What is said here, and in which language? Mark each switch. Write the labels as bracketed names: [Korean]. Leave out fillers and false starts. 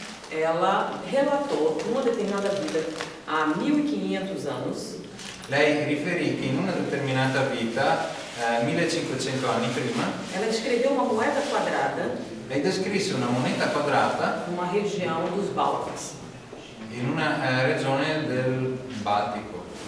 [Portuguese] Ela relatou numa determinada vida há 1500 anos. [Italian] Lei riferì che in una determinata vita 1500 anni prima. [Portuguese] Ela escreveu uma moeda quadrada. [Italian] Lei descrisse una moneta quadrata. [Portuguese] Numa região dos Balcãs. [Italian] In una regione del Baltico.